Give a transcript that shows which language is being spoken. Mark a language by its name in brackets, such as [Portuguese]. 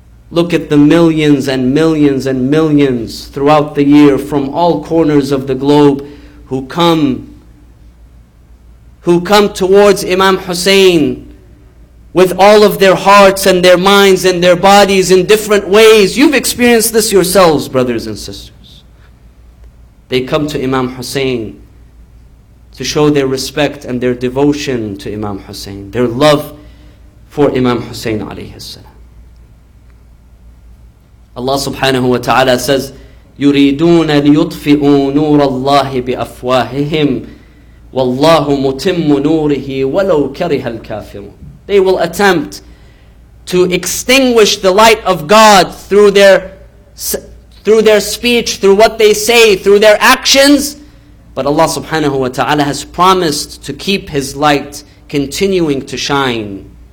[English] Look at the millions and millions and millions throughout the year from all corners of the globe who come towards Imam Hussein with all of their hearts and their minds and their bodies in different ways. You've experienced this yourselves, brothers and sisters. They come to Imam Hussein to show their respect and their devotion to Imam Hussein, their love for Imam Hussein alayhi salam. Allah subhanahu wa ta'ala says, [Arabic] يُرِيدُونَ لِيُطْفِئُوا نُورَ اللَّهِ بِأَفْوَاهِهِمْ وَاللَّهُ مُتِمُّ نُورِهِ وَلَوْ كَرِهَ الْكَافِرُونَ. [English] They will attempt to extinguish the light of God through their speech, through what they say, through their actions. But Allah subhanahu wa ta'ala has promised to keep His light continuing to shine.